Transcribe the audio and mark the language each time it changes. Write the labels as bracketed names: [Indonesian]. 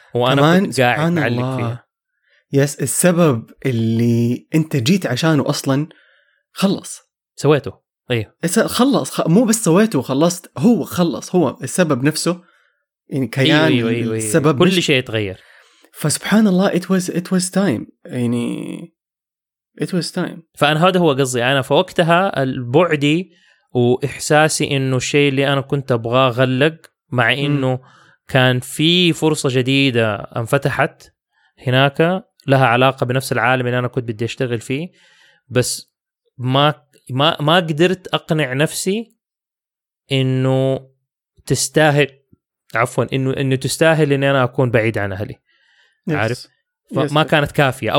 [Arabic] وانا كمان قاعد معلق فيها يس السبب اللي انت جيت عشانه اصلا خلص سويته ايوه خلص مو بس سويته خلصت هو خلص هو السبب نفسه يعني كيان أيوه أيوه أيوه السبب كل شيء تغير فسبحان الله [English] it was time [Arabic] يعني it was time فانا هذا هو قصدي انا فوقتها البعدي وإحساسي إنه الشيء اللي أنا كنت أبغاه غلق مع إنه كان في فرصة جديدة انفتحت هناك لها علاقة بنفس العالم اللي أنا كنت بدي أشتغل فيه، بس ما قدرت أقنع نفسي إنه تستاهل عفواً إنه تستاهل إني أنا أكون بعيد عن أهلي عارف فما كانت كافية.